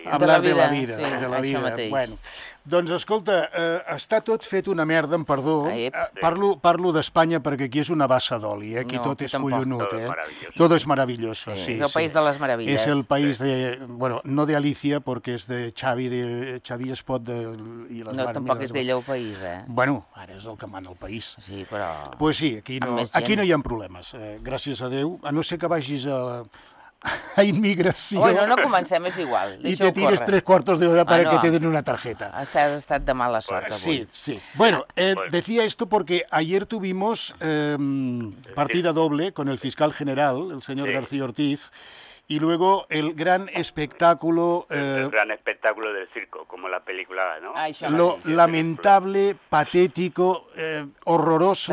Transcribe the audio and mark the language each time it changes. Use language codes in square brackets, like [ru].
[es] Hablar de la vida, de la vida. [ca] Doncs escolta, està tot fet una merda, em perdó. Parlo d'Espanya perquè aquí és una bassa d'oli, aquí tot és collonut, [es] Todo es maravilloso. Sí, [ca] és el país de les meravelles. És el país de, bueno, no de Alicia, perquè és de Xavi, es pot... No, tampoc és d'ella el país, Bueno, ara és el que mana el país. Sí, però... Pues sí, aquí no hi ha problemes, gràcies a Déu. A no ser que vagis a immigració... Bueno, no comencem, és igual. I te tires tres quartos d'hora perquè te den una targeta. Has estat de mala sort, avui. Sí, sí. [es] Bueno, decía esto porque ayer tuvimos partida doble con el fiscal general, el señor García Ortiz, y luego el gran espectáculo... El gran espectáculo del circo, como la película, ¿no? Lo lamentable, patético, horroroso...